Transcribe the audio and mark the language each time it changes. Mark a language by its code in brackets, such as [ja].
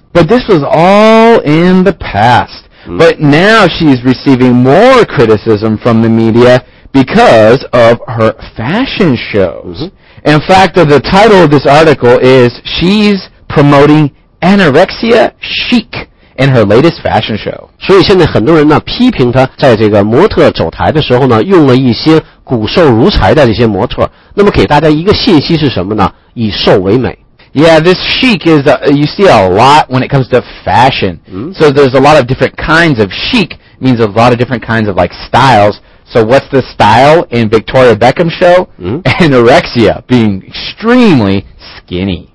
[en] But this was all in the past.、Mm. But now she's receiving more criticism from the media because of her fashion shows.、Mm-hmm. In fact, the title of this article is "She's Promoting Anorexia Chic." In her latest fashion show. [zh] 所以现在很多人呢批评她在这个模特走台的时候呢用了一些骨瘦如柴的这些模特。那么给大家一个信息是什么呢？以瘦为美。 [en] Yeah, this chic is you see a lot when it comes to fashion.、嗯、 so there's a lot of different kinds of chic means a lot of different kinds of like styles. So what's the style in Victoria Beckham's show?、嗯、 Anorexia, being extremely skinny.